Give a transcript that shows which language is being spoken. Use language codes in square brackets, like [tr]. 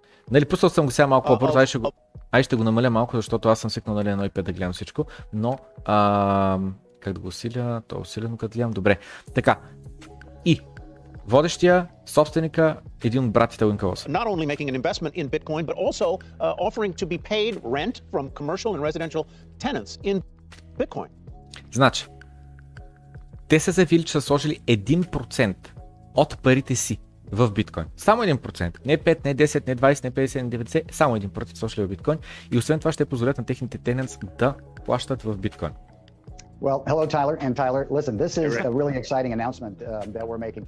[bg] Нали, пусал съм го сега малко по-бързо, ще го намаля малко, защото аз съм свикнал, нали, едно и пет да гледам всичко, но как да го усиля, то е усилено като гледам, добре. Така, и водещия, собственика, един от братите Уинкълс. [en] Not only making an investment in Bitcoin, but also offering to be paid rent from commercial and residential tenants in Bitcoin. [bg] Значи, те са заявили, че са сложили 1% от парите си в биткоин. Само 1%. Не 5, не 10, не 20, не 50, не 90. Само 1% сошли в биткоин. И освен това ще позволят на техните тенанс да плащат в биткоин. [en] Well, hello Tyler and Tyler. Listen, this is a really exciting announcement that we're making.